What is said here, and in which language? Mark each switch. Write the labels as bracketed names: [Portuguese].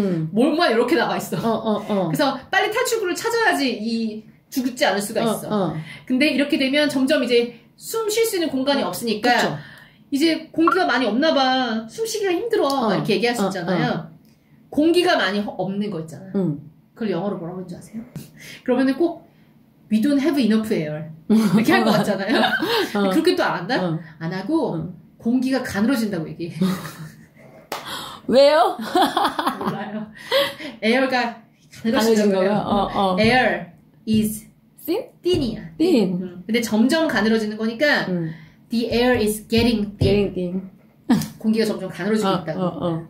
[Korean] 뭘만 이렇게 나가 있어. 그래서 빨리 탈출구를 찾아야지 이 죽지 않을 수가 있어. 근데 이렇게 되면 점점 이제 숨 쉴 수 있는 공간이 없으니까 이제 공기가 많이 없나 봐. 숨 쉬기가 힘들어. 이렇게 얘기할 수 있잖아요. 공기가 많이 없는 거 있잖아. 그걸 영어로 뭐라고 하는 줄 아세요? 그러면은 꼭 [English] We don't have enough air. [Korean] 이렇게 할 것 같잖아요. 그렇게 또 안 한다? 안 하고 공기가 가늘어진다고 얘기해. 왜요? 몰라요. 에어가 가늘어진 거예요. [English] 에어 is thin? thin이야. thin. [Korean] 근데 점점 가늘어지는 거니까 [English] the air is getting thin. getting thin. [Korean] 공기가 점점 가늘어지고 있다고.